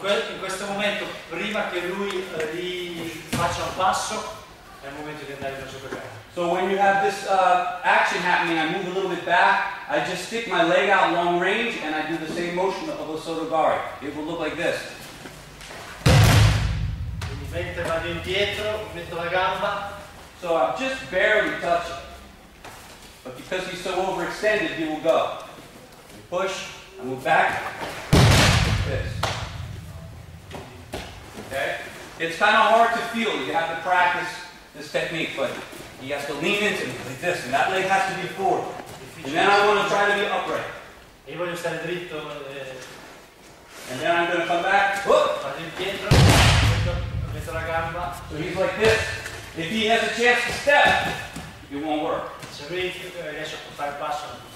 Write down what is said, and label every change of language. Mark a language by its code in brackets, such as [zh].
[it] In questo momento, prima che lui faccia un passo, è il momento di andare verso il [en] So when you have this action happening, I move a little bit back, I just stick my leg out long range and I do the same motion of a sotogari. It will look like this. [it] Mentre vado indietro, metto la gamba. [en] So I'm just barely touching. But because he's so overextended, he will go. I push, I move back, like this. Okay? It's kind of hard to feel. You have to practice this technique, but he has to lean into me like this, and that leg has to be forward. And then I want to try to be upright. [it] Io voglio stare dritto. [en] And then I'm going to come back. [it] Vado indietro. La gamba. [en] So he's like this. If he has a chance to step, it won't work. [it] Se lui riesce a fare il passo.